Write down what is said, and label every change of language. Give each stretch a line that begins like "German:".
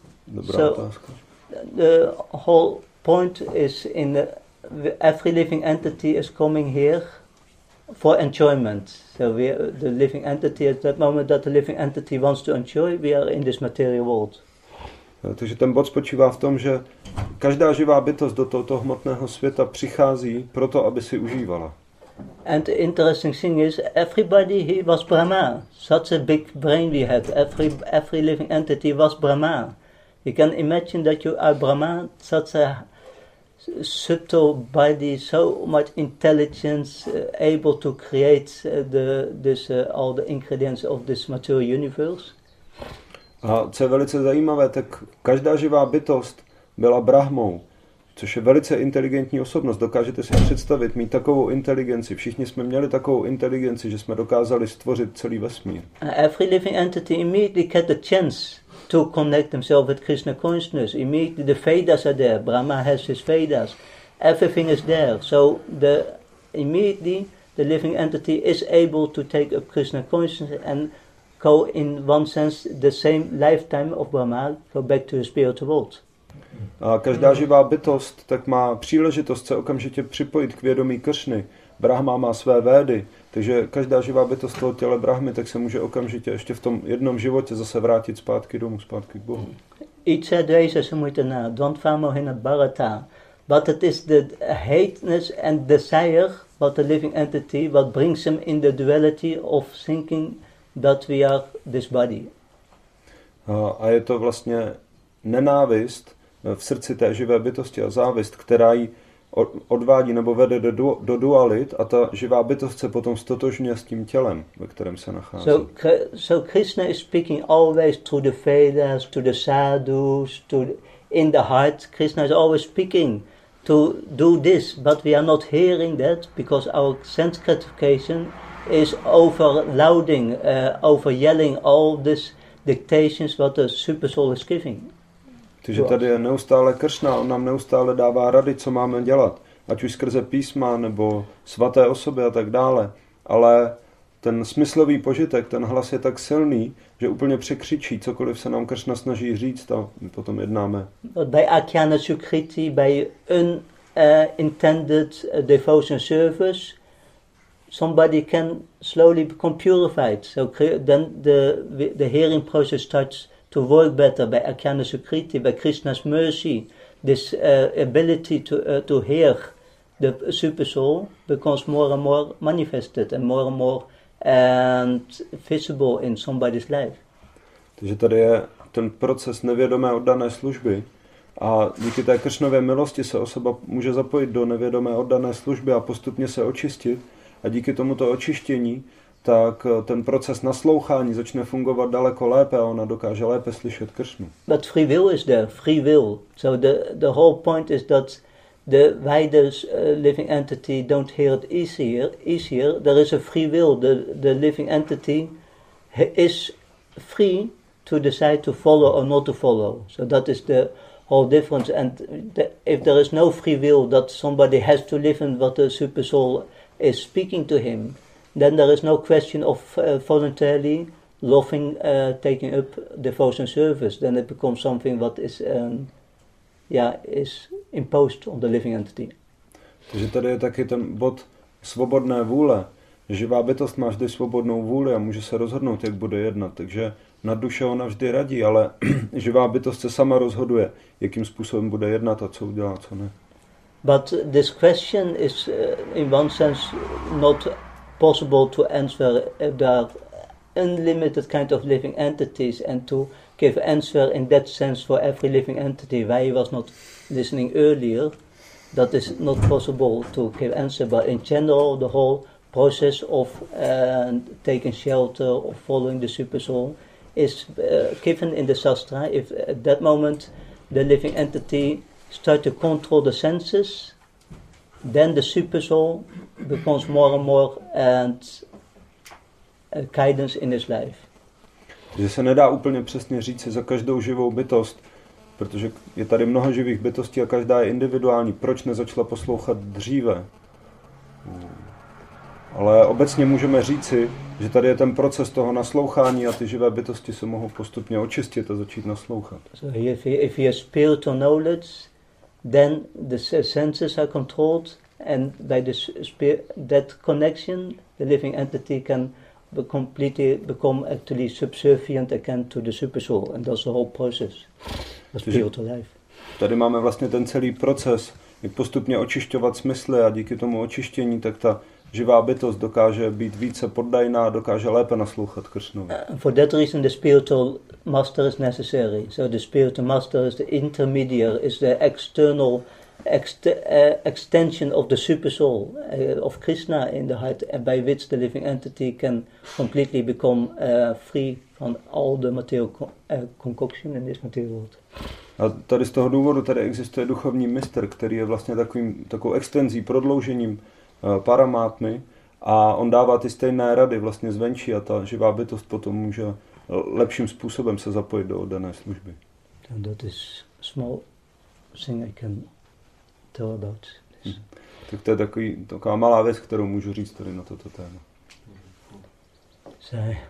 Czech: Dobrá otázka.
English: The whole point is in the, every living entity is coming here for enjoyment. So we are the living entity, at that moment that the living entity wants to enjoy, we are in this material world.
Czech: No, takže ten bod spočívá v tom, že každá živá bytost do tohoto hmotného světa přichází proto, aby si užívala.
English: And the interesting thing is, everybody he was Brahma. Such a big brain we had. Every living entity was Brahma. You can imagine that you are Brahma, such a subtle body, so much intelligence, able to create all the ingredients of this material universe.
Czech: A co je velice zajímavé, tak každá živá bytost byla Brahmou, což je velice inteligentní osobnost. Dokážete si představit, mít takovou inteligenci. Všichni jsme měli takovou inteligenci, že jsme dokázali stvořit celý vesmír.
English: Every living entity immediately had the chance to connect themselves with Krishna consciousness. Immediately the Vedas are there. Brahma has his Vedas. Everything is there. So immediately the living entity is able to take up Krishna consciousness and go in one sense the same lifetime of Brahma, go back to the spiritual world.
Czech: A každá živá bytost tak má příležitost se okamžitě připojit k vědomí Kršny. Brahma má své védy, takže každá živá bytost toho těle Brahmy tak se může okamžitě ještě v tom jednom životě zase vrátit zpátky domů, zpátky k Bohu. Icha dvejsa samutana, don't famo hina bharata.
English: But it is the hateness and desire about the living entity what brings him in the duality of thinking that we are this body.
Czech: A je to vlastně nenávist v srdci té živé bytosti a závist, která ji odvádí nebo vede do dualit a ta živá bytost se potom stotožňuje s tím tělem, ve kterém se nachází.
English: So Krishna is speaking always to the Vedas, to the sadhus, to in the heart. Krishna is always speaking to do this, but we are not hearing that because our sense gratification is overlouding, overyelling all these dictations what the super soul is giving.
Czech: Takže tady je neustále Kršna, on nám neustále dává rady, co máme dělat. Ať už skrze písma, nebo svaté osoby a tak dále. Ale ten smyslový požitek, ten hlas je tak silný, že úplně překřičí cokoliv se nám Kršna snaží říct a my potom jednáme.
English: By Akyana Sukriti, by unintended devotion service, somebody can slowly become purified. So then the hearing process starts to work better by Akyana Sukriti, by Krishna's mercy, this ability to hear the super soul becomes more and more manifested and more and visible in somebody's life.
Czech: Takže tady je ten proces nevědomé oddané služby a díky té Kršnově milosti se osoba může zapojit do nevědomé oddané služby a postupně se očistit a díky tomuto očištění tak ten proces naslouchání začne fungovat daleko lépe a ona dokáže lépe slyšet Kršnu.
English: But free will is there, free will. So the whole point is that the wider living entity don't hear it easier. There is a free will. The living entity is free to decide to follow or not to follow. So that is the whole difference. And if there is no free will that somebody has to live in what the super soul is speaking to him, then there is no question of voluntarily loving, taking up devotion service. Then it becomes something what is is imposed on the living entity.
Czech: Takže tady je taky ten bod svobodné vůle. Živá bytost má vždy svobodnou vůli a může se rozhodnout, jak bude jednat. Takže na duše ona vždy radí, ale živá bytost se sama rozhoduje, jakým způsobem bude jednat a co udělá, co ne.
English: But this question is in one sense not possible to answer if there are unlimited kind of living entities and to give answer in that sense for every living entity. Why he was not listening earlier, that is not possible to give answer. But in general, the whole process of taking shelter or following the super soul is given in the sastra. If at that moment the living entity start to control the senses, then the super soul becomes more and more and guidance in his life.
Czech: Že se nedá úplně přesně říct za každou živou bytost, protože je tady mnoho živých bytostí a každá je individuální. Proč nezačala poslouchat dříve? Ale obecně můžeme říci, že tady je ten proces toho naslouchání a ty živé bytosti se mohou postupně očistit a začít naslouchat.
English: So if he has spiritual knowledge, then the senses are controlled and by this that connection, the living entity can become actually subservient again to the super soul, and that's the whole process of spiritual life.
Czech: Tady máme vlastně ten celý proces, jak postupně očišťovat smysly a díky tomu očištění, tak ta živá bytost dokáže být více poddajná, dokáže lépe naslouchat Kršnovi.
English: For that reason, the spiritual master is necessary. So the spiritual master is the intermediary, is the external extension of the super soul of Krishna in the heart, and by which the living entity can completely become free from all the material concoction in this material world.
Czech: A tady z toho důvodu tady existuje duchovní mistr, který je vlastně takovou extenzí, prodloužením paramátmy, a on dává ty stejné rady vlastně zvenčí a ta živá bytost potom může lepším způsobem se zapojit do oddané služby.
English: And that is small thing I can tell about this.
Czech: Tak to je taková malá věc, kterou můžu říct tady na toto téma.